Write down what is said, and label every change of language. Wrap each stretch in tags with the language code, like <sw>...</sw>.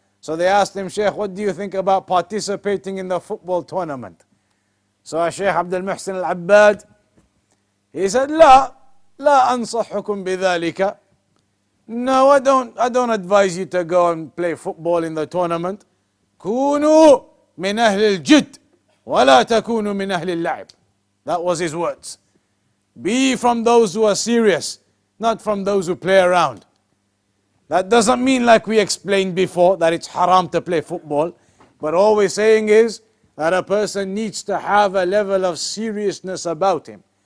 <en>So they asked him, Sheikh, what do you think about participating in the football tournament? So Sheikh Abdul Muhsin al-Abbad, he said,</en> <ar>لا أنصحكم بذلك.</ar> <en>No, I don't advise you to go and play football in the tournament.</en> <ar>كونوا من أهل الجد ولا تكونوا من أهل اللعب.</ar> <en>That was his words. Be from those who are serious, not from those who play around. That doesn't mean, like we explained before, that it's haram to play football. But all we're saying is that a person needs to have a level of seriousness about him.</en>